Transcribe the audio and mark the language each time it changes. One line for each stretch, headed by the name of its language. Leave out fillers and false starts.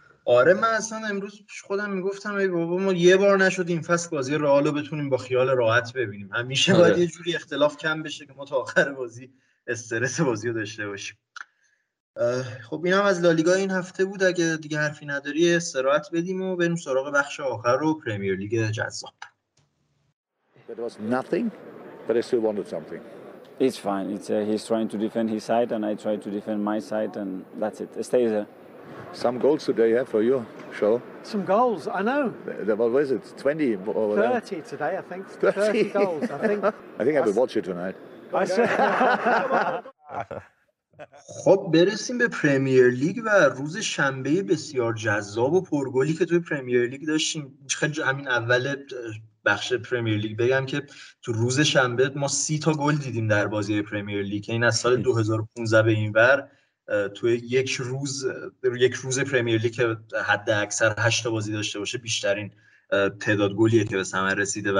Persian: آره من اصلا امروز خودم میگفتم ای بابا ما یه بار نشد این فصل بازی رئالو بتونیم با خیال راحت ببینیم، همیشه باید یه جوری اختلاف کم بشه که ما تا آخر بازی استرس بازی رو داشته باشیم. خب اینم از لالیگا این هفته بود، اگه دیگه حرفی نداری استراحت بدیم و بریم سراغ بخش آخر رو پریمیر لیگ جذاب.
English: It's fine. He's trying to defend his side and I try to defend my side and that's it. Stays there. Some goals today, yeah, for you, sure. Some goals, I know. What was it, 20 over 30 there? 30 today, I think. 30 goals, I think. I think I will watch you tonight. I said.
Persian: خب برسیم به پریمیر لیگ و روز شنبه بسیار جذاب و پرگلی که توی پریمیر لیگ داشتیم. خیلی همین اول بخش پریمیر لیگ بگم که تو روز شنبه ما 30 تا گل دیدیم در بازی پریمیر لیگ، این از سال 2015 به این ور توی یک روز پریمیر لیگ که حد اکثر 8 تا بازی داشته باشه بیشترین تعداد گلیه که به ثمر رسیده.